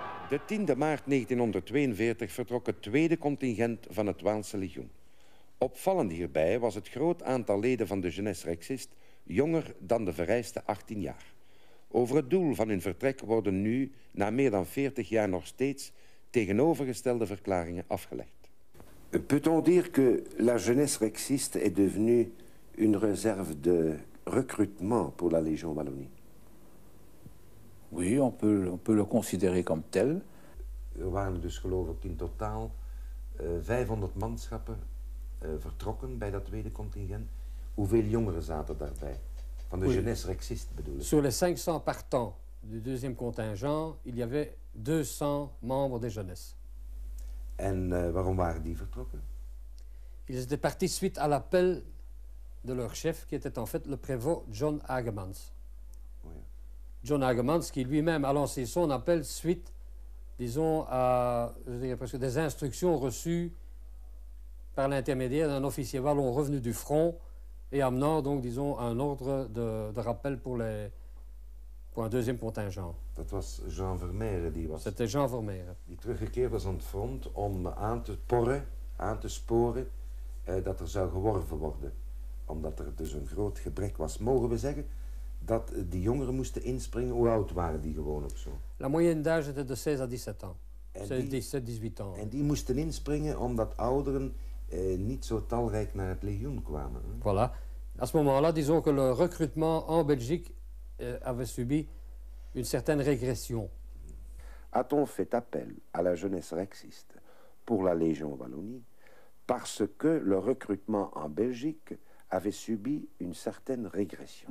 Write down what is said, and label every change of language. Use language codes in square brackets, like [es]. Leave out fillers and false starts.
[nl] De 10 maart 1942 vertrok het tweede contingent van het Waalse Legioen. Opvallend hierbij was het groot aantal leden van de jeunesse rexiste jonger dan de vereiste 18 jaar. Over het doel van hun vertrek worden nu, na meer dan 40 jaar nog steeds, tegenovergestelde verklaringen afgelegd. [fr] Peut-on dire que la jeunesse rexiste est devenue une réserve de recrutement pour la Légion Wallonie? Oui, on peut le considérer comme tel. [nl] Er waren dus geloof ik in totaal 500 manschappen vertrokken bij dat tweede contingent. Hoeveel jongeren zaten daarbij? Van de jeunesse rexiste bedoel ik. [fr] Sur les 500 partants du deuxième contingent, il y avait 200 membres des jeunesses. [nl] En waarom waren die vertrokken? [fr] Ils étaient partis suite à l'appel de leur chef, qui était en fait le prévôt John Hagemans. Oui. John Hagemans, qui lui-même a lancé son appel suite, disons, à presque des instructions reçues par l'intermédiaire d'un officier wallon revenu du front et amenant donc, disons, un ordre de rappel pour un deuxième contingent. [nl] Dat was Jean Vermeire die was. [fr] C'était Jean Vermeire. [nl] Die teruggekeerd was aan het front om aan te porren, aan te sporen dat er zou geworven worden. Omdat er dus een groot gebrek was. Mogen we zeggen dat die jongeren moesten inspringen? Hoe oud waren die gewoon of zo? [fr] La moyenne d'âge était de 16 à 17 ans. 16, 18 ans. [nl] En die moesten inspringen omdat ouderen niet zo talrijk naar het legioen kwamen. [fr] Hein? Voilà. À ce moment-là, disons que le recrutement en Belgique avait subi une certaine régression. A-t-on fait appel à la jeunesse rexiste pour la Légion Wallonie parce que le recrutement en Belgique avait subi une certaine régression?